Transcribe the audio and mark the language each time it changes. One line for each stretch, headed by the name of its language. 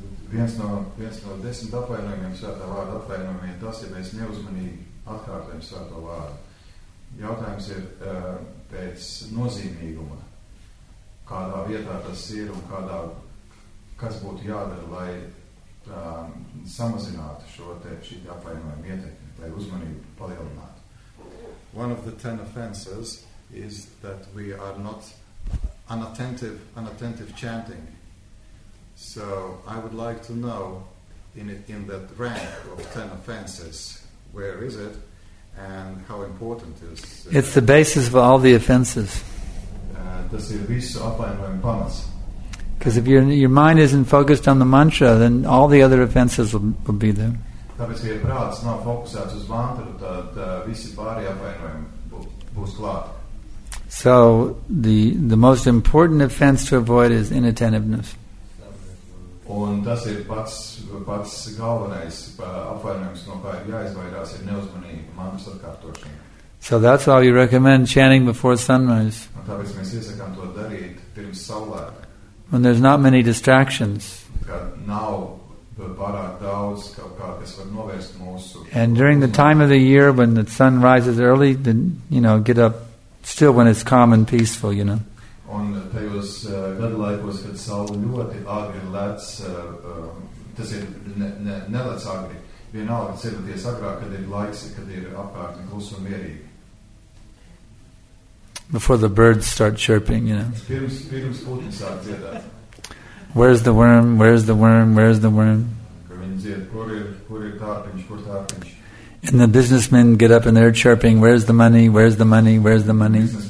Latvian: Viens no 10 atvainojumiem svētā vārda atvainojumi ir tas, ja mēs neuzmanīgi atkārtojam svētā vārdu. Jautājums ir pēc nozīmīguma, kādā vietā tas ir un kādā, kas būtu jādara, lai samazinātu šo šī atvainojuma ietekmi, lai uzmanību palielinātu.
English: One of the 10 offenses is that we are not unattentive chanting. So I would like to know in that rank of 10 offenses, where is it and how important is it's the basis of all the offenses. Because if your mind isn't focused on the mantra, then all the other offenses will be there.
Latvian: Tāpēc, ja prāts nav fokusēts uz mantru, tad visi pārī apvainojumi būs klāt.
English: So the most important offense to avoid is inattentiveness.
Latvian: Un tas ir pats galvenais apvainojums, no kā ir jāizvairās, ir neuzmanība mantras atkārtošana.
English: So that's why we recommend chanting before sunrise.
Latvian: Un tāpēc mēs iesakām to darīt pirms saulēta.
English: When there's not many distractions.
Latvian: Kad nav pārāk daudz kaut kā, kas var novērst mūsu.
English: And during the time of the year when the sun rises early, then, you know, get up still when it's calm and peaceful, you know.
Latvian: Un tajos gadlaikos, kad saule ļoti agri lec, tas ir nelec agri, vienalga certies agrāk, kad ir laiks, kad ir apkārt klus un mierīgi.
English: Before the birds start chirping, you know.
Latvian: Pirms putni sāk dziedāt.
English: Where's the worm? Where's the worm? Where's the worm?
Latvian: Kur ir tārpiņš, kur tārpiņš?
English: And the businessmen get up and they're chirping, where's the money, where's the money, where's the money?